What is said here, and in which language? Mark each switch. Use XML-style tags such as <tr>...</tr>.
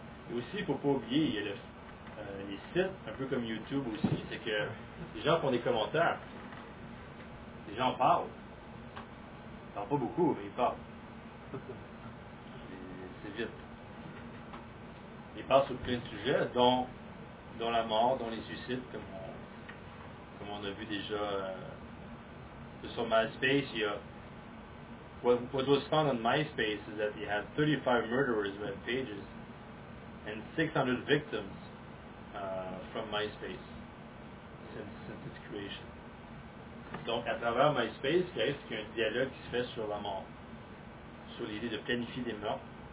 <fr>Et aussi, il ne faut pas oublier, il y a les sites, un peu comme YouTube aussi, c'est que les gens font des commentaires. Les gens parlent. Ils ne parlent pas beaucoup, mais ils parlent. C'est vite. Ils parlent sur plein de sujets, dont la mort, dont les suicides, comme comme on a vu déjà sur MySpace, il y a</fr> <en>what was found on MySpace is that they had 35 murderers web pages and 600 victims from MySpace since its creation.</en> <fr>Donc à travers MySpace, il y a un dialogue qui se fait sur la mort, sur l'idée de planifier des meurtres.</fr>